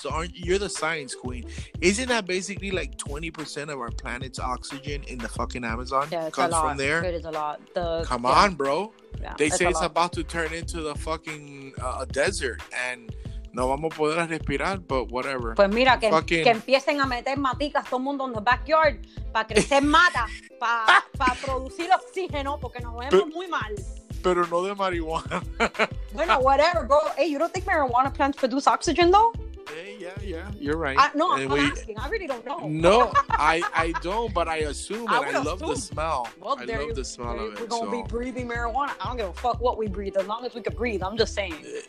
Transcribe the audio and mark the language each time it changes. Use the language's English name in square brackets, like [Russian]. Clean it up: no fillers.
[English] So you're the science queen. Isn't that basically like 20% of our planet's oxygen in the fucking Amazon? Yeah, it's comes a lot. From there? It is a lot. Come on, bro. Yeah, they say it's about to turn into the fucking desert and [Spanish] no vamos a poder respirar, [English] but whatever. [Spanish] Pues mira, que empiecen a meter maticas todo el mundo en [English] the backyard [Spanish] para crecer mata, para producir oxígeno, porque nos vemos muy mal. Pero no de marihuana. Bueno, [English] whatever, bro. Hey, you don't think marijuana plants produce oxygen, though? Yeah, you're right. I'm asking. I really don't know. No, I don't, but I assume. I love the smell. We're going to be breathing marijuana. I don't give a fuck what we breathe. As long as we can breathe, I'm just saying.